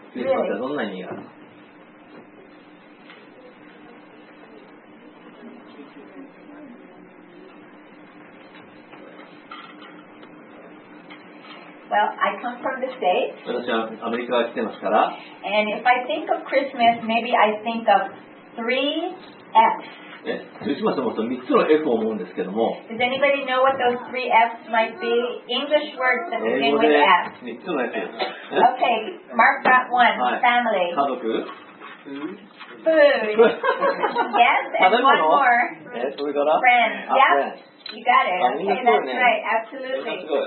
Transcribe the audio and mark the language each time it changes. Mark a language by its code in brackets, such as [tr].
[ja] クリスマスはどんな意味が? [en] Well, I come from the States. [ja] 私はアメリカから来てますから。 [en] And if I think of Christmas, maybe I think of 3 F's. [ja] クリスマスのことは3つの F を思うんですけども。 [en] Does anybody know what those 3 F's might be? English words that begin with F. [ja] 英語で3つの F です。 [en] Okay, mark that one. [ja] はい、 [en] family. [ja] 家族。 [en] Food. Yes, and one more. [ja] それから? [en] Friends. Yep. You got it. Okay, that's right. Absolutely.